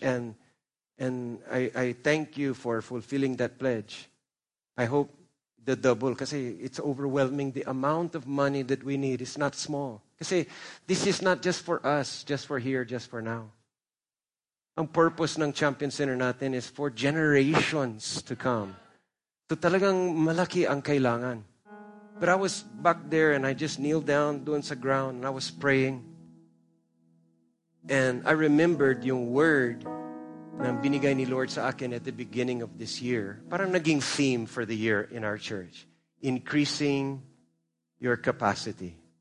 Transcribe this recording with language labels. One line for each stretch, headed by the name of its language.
English: And I thank you for fulfilling that pledge. I hope the double, kasi it's overwhelming. The amount of money that we need is not small. Kasi this is not just for us, just for here, just for now.
Filipino: Ang purpose ng Champion Center natin
English: is for generations to come.
Filipino: So talagang malaki ang kailangan.
English: But I was back there and I just kneeled down
Filipino: doon sa
English: ground and I was praying. And I remembered
Filipino: yung word na binigay ni Lord sa akin
English: at the beginning of this year.
Filipino: Parang naging
English: theme for the year in our church. Increasing your capacity.